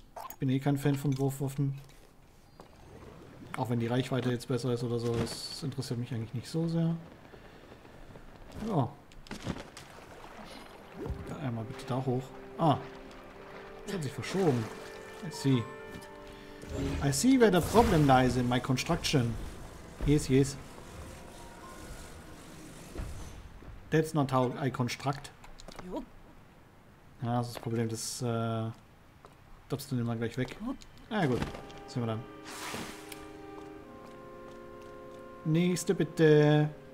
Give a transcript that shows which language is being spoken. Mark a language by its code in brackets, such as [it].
[de] Ich bin eh kein Fan von Wurfwaffen. Auch wenn die Reichweite jetzt besser ist oder so, das interessiert mich eigentlich nicht so sehr. Ja. Da einmal bitte da hoch. Ah. Das hat sich verschoben. [en] I see. I see where the problem lies in my construction. Yes, yes. That's not how I construct. [de] Ja, das ist das Problem, das dobst du immer gleich weg. Na ja, gut, sehen wir dann. Nächste bitte.